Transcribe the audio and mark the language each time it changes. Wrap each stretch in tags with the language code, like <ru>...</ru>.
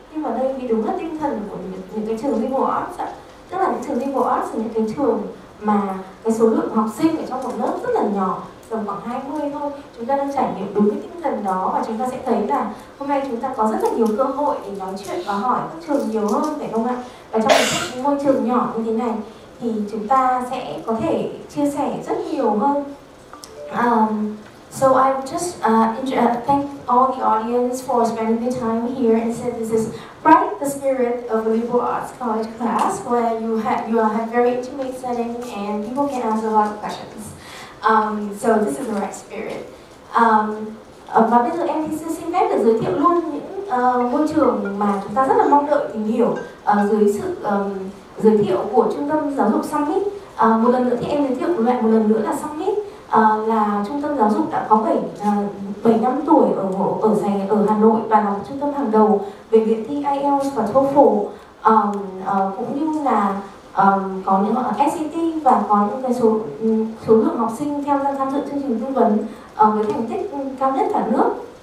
<vi>Nhưng mà đây thì đúng là tinh thần của những cái trường liberal arts ạ. Tức là những trường liberal arts là những cái trường mà cái số lượng học sinh ở trong một lớp rất là nhỏ, tầm khoảng 20 thôi. Chúng ta đang trải nghiệm đúng cái tinh thần đó, và chúng ta sẽ thấy là hôm nay chúng ta có rất là nhiều cơ hội để nói chuyện và hỏi các trường nhiều hơn, phải không ạ? Và trong một môi trường nhỏ như thế này thì chúng ta sẽ có thể chia sẻ rất nhiều hơn.</vi> <en>So I just thank all the audience for spending the time here and said this is right the spirit of the liberal arts college class where you have very intimate setting and people can ask a lot of questions. So this is the right spirit.</en> <vi>Và bây giờ em thì xin phép được giới thiệu luôn những môi trường mà chúng ta rất là mong đợi tìm hiểu dưới sự giới thiệu của Trung tâm Giáo dục Summit. Một lần nữa thì em giới thiệu với bạn một lần nữa là Summit. Là trung tâm giáo dục đã có 7 năm tuổi ở Hà Nội và là một trung tâm hàng đầu về việc thi IELTS và TOEFL, cũng như là có những SAT và có những cái số lượng học sinh theo ra tham dự chương trình tư vấn với thành tích cao nhất cả nước.</vi>